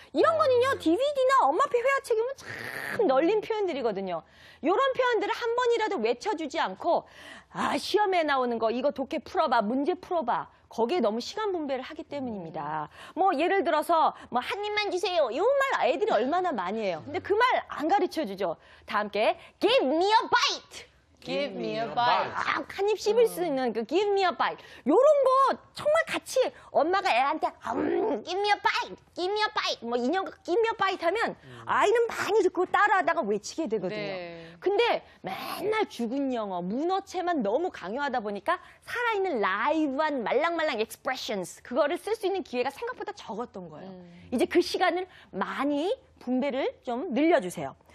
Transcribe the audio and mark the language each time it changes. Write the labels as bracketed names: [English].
[Korean] 이런 거는요, DVD나 엄마표 회화책이면 참 널린 표현들이거든요. 이런 표현들을 한 번이라도 외쳐주지 않고 아, 시험에 나오는 거 이거 독해 풀어봐, 문제 풀어봐. 거기에 너무 시간 분배를 하기 때문입니다. 뭐 예를 들어서 뭐 한 입만 주세요. 이런 말 애들이 얼마나 많이 해요. 근데 그 말 안 가르쳐주죠. 다 함께 [English] give me a bite. Give me a bite. [Korean] 아, 한 입 씹을 수 있는 그 [English] give me a bite. [Korean] 요런 거 정말 같이 엄마가 애한테 [English] give me a bite, give me a bite. [Korean] 뭐 인형 [English] give me a bite [Korean] 하면 아이는 많이 듣고 따라하다가 외치게 되거든요. 네. 근데 맨날 죽은 영어, 문어체만 너무 강요하다 보니까 살아있는 라이브한 말랑말랑 expressions 그거를 쓸 수 있는 기회가 생각보다 적었던 거예요. 이제 그 시간을 많이 분배를 좀 늘려주세요.